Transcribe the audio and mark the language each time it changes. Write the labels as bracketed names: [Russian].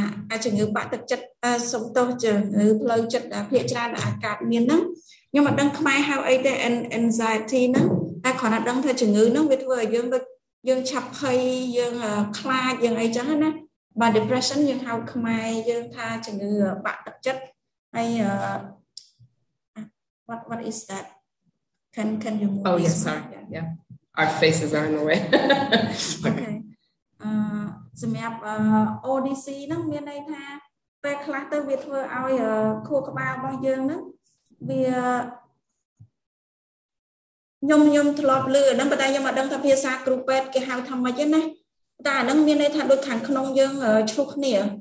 [Khmer] អាជំងឺបាក់ទឹកចិត្តសំទោសជំងឺផ្លូវចិត្តដែលភាគច្រើនអាចកើតមានហ្នឹងខ្ញុំអត់ដឹងខ្មែរហៅអីទេ anxiety ហ្នឹងតែគ្រាន់តែដឹងថាជំងឺហ្នឹងវាធ្វើឲ្យយើងដូចយើងឆាប់ភ័យយើងខ្លាចយើងអីចឹងណាបាទ depression យើងហៅខ្មែរយើងថាជំងឺបាក់ទឹកចិត្តហើយ [English] what is that can you move oh yes sorry yeah our faces are in the way [Khmer] okay សម្រាប់ ODC ហ្នឹងមានន័យថាពេលខ្លះទៅវាធ្វើឲ្យខួរក្បាលរបស់យើងហ្នឹងវាខ្ញុំធ្លាប់លឺហ្នឹងប៉ុន្តែខ្ញុំអត់ដឹងថាភាសាគ្រូពេទ្យគេហៅថាម៉េចហ្នឹងណាតែអាហ្នឹងមានន័យថាដូចខាងក្នុងយើងឈឺគ្នា